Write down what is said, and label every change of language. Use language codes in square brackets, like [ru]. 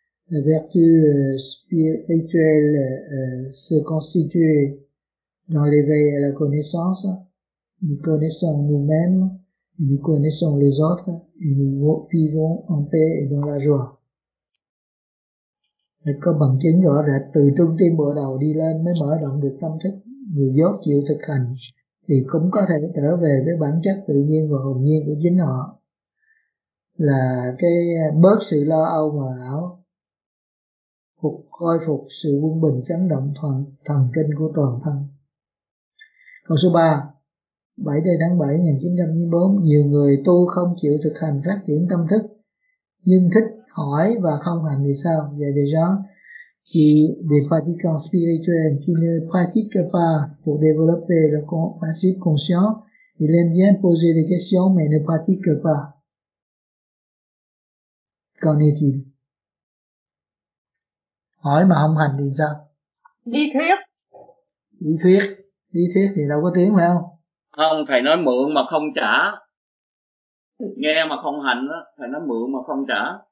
[fr] La vertu spirituelle se constitue dans l'éveil à la connaissance. Nous connaissons nous-mêmes et nous connaissons les autres et nous vivons en paix et dans la joie. [vi] Là, có bằng chứng rõ rệt từ trung tâm bộ đầu đi lên mới mở rộng được tâm thức. Người dốt chịu thực hành thì cũng có thể trở về với bản chất tự nhiên và hồn nhiên của chính họ, là cái bớt sự lo âu mờ ảo, phục khôi phục sự quân bình chấn động thần kinh của toàn thân. Câu số 3, 7 tháng 7 1994, nhiều người tu không chịu thực hành phát triển tâm thức nhưng thích hỏi và không hành thì sao? Vậy thì đó, [fr] qui des pratiquants spirituels qui ne pratiquent pas pour développer le principe conscient, ils aiment bien poser des questions mais ne pratiquent pas. Qu'en est-il? [vi] Hỏi mà không hành thì sao? Lý thuyết thì đâu có tiếng phải không? Không, thầy nói mượn mà không trả. Nghe mà không hành á, thầy nói mượn mà không trả.